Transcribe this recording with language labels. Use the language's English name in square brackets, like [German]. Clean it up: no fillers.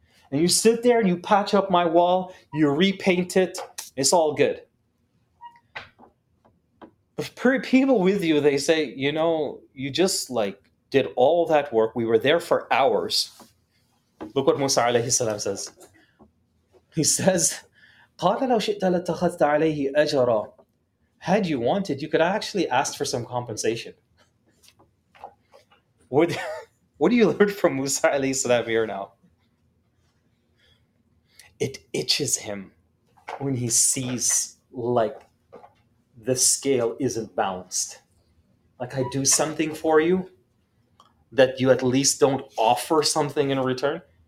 [English] And you sit there and you patch up my wall. You repaint it. It's all good. The people with you, they say, you know, you just like did all that work. We were there for hours. Look what Musa alayhi salam says. He says, [Arabic] قَالَ لَوْ شِئْتَ لَتَّخَذْتَ عَلَيْهِ أَجَرًا. [English] Had you wanted, you could actually ask for some compensation. What do you learn from Musa alayhi salam here now? It itches him. When he sees like the scale isn't balanced, like I do something for you that you at least don't offer something in return.